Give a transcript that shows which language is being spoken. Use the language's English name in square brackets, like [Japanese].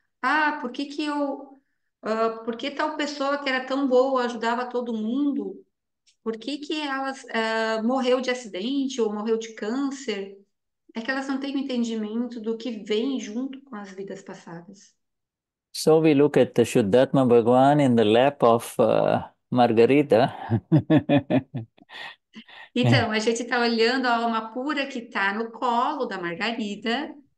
[Portuguese] Ah, por que tal pessoa que era tão boa, ajudava todo mundo, por que que ela morreu de acidente ou morreu de câncer? É que elas não têm o entendimento do que vem junto com as vidas passadas. [English] So we look at the Shuddhatma Bhagwan in the lap of Margarita. [Portuguese] Então, a gente está olhando a alma pura que está no colo da Margarida.